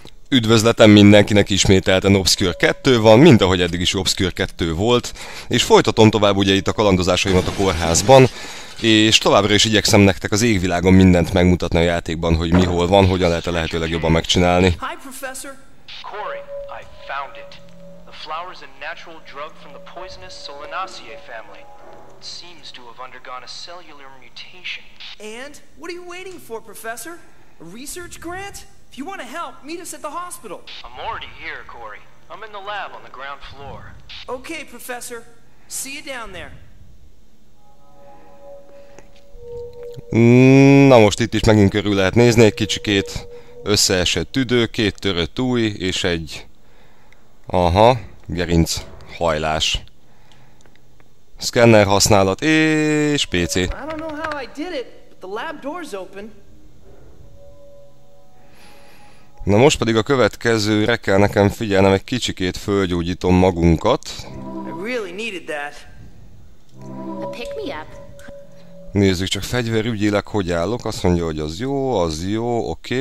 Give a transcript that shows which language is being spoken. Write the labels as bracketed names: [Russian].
[Hungarian] Üdvözletem mindenkinek, ismételten Obscure 2 van, mint ahogy eddig is Obscure 2 volt, és folytatom tovább ugye itt a kalandozásaimat a kórházban, és továbbra is igyekszem nektek az égvilágon mindent megmutatni a játékban, hogy mi hol van, hogyan lehet a lehető legjobban megcsinálni. [English] Hi, professor! Corey, I found it. The flower is a natural drug from the poisonous Solanaceae family. It seems to have undergone a cellular mutation. And? What are you waiting for, professor? A research grant? If you want to help, meet us at the hospital. I'm already here, Corey. I'm in the lab on the ground floor. Okay, professor. See you down there. [Hungarian] Na most itt is megint körül lehet nézni egy kicsikét. Összeesett tüdő, két törött új, és egy... Aha, gerinc hajlás. Scanner használat, és PC. [English] I don't know how I did it, but the lab door's open. [Hungarian] Na most pedig a következőre kell nekem figyelnem, egy kicsikét fölgyógyítom magunkat. [English] I really needed that. A pick me up. [Hungarian] Nézzük csak, fegyverügyileg hogy állok. Azt mondja, hogy az jó, oké.